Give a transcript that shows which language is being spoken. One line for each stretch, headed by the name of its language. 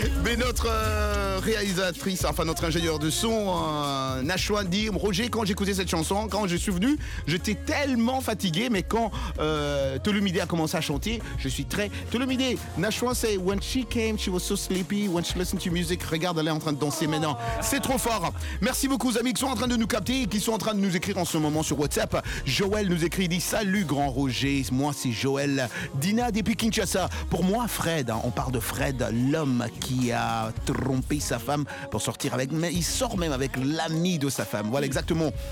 French: Mais notre réalisatrice, enfin notre ingénieur de son, Nachouane, dit Roger, quand j'écoutais cette chanson, quand je suis venu, j'étais tellement fatigué. Mais quand Tolumide a commencé à chanter, je suis très.
English: Tolumide, Nachouane,
French: c'est
English: When she came, she was so sleepy. When she listened to music,
French: regarde, elle est en train de danser maintenant. C'est trop fort. Merci beaucoup, aux amis qui sont en train de nous capter et qui sont en train de nous écrire en ce moment sur WhatsApp. Joël nous écrit, dit salut, grand Roger. Moi, c'est Joël. Dina, depuis Kinshasa. Pour moi, Fred, hein, on parle de Fred. L'homme qui a trompé sa femme pour sortir avec, mais il sort même avec l'ami de sa femme. Voilà exactement.